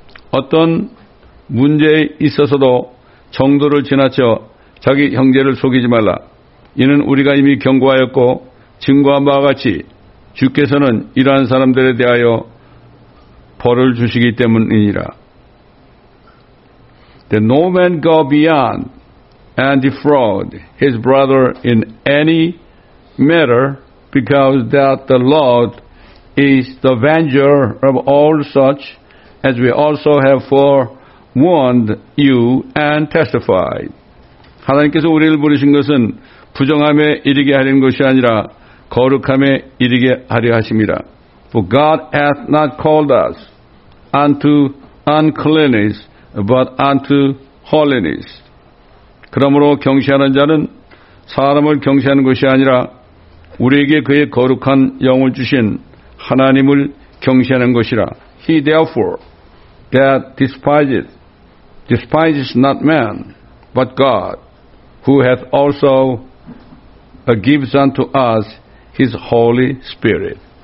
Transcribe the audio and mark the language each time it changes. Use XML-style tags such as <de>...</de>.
<ko>어떤 문제에 있어서도 정도를 지나쳐 자기 형제를 속이지 말라. 이는 우리가 이미 경고하였고 증거한 바와 같이 주께서는 이러한 사람들에 대하여 벌을 주시기 때문이니라.</ko> <en>That no man go beyond and defraud his brother in any matter because that the Lord is the avenger of all such as we also have forewarned you and testified.</en> <ko>하나님께서 우리를 부르신 것은 부정함에 이르게 하려는 것이 아니라 거룩함에 이르게 하려 하십니다.</ko> <en>For God hath not called us unto uncleanness but unto holiness.</en> <ko>그러므로 경시하는 자는 사람을 경시하는 것이 아니라 우리에게 그의 거룩한 영을 주신 하나님을 경시하는 것이라.</ko> <en>He therefore that despises not man, but God, who hath also gives unto us his Holy Spirit.</en>